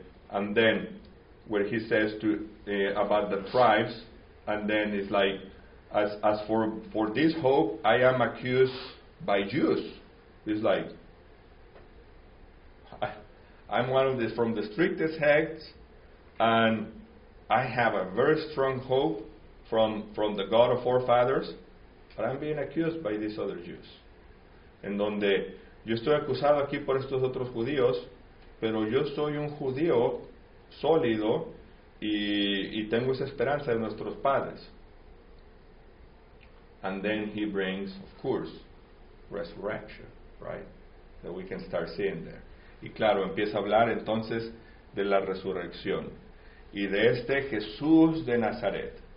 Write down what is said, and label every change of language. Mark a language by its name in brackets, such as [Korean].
[English] And then where he says to about the tribes, and then it's like, as for this hope, I am accused by Jews. It's like, I'm one of the from the strictest sects, and I have a very strong hope from the God of our fathers, but I'm being accused by these other Jews. [Spanish] En donde yo estoy acusado aquí por estos otros judíos, pero yo soy un judío sólido y tengo esa esperanza de nuestros padres. [English] And then he brings, of course, resurrection, right? That we can start seeing there. [Spanish] Y claro, empieza a hablar entonces de la resurrección y de este Jesús de Nazaret.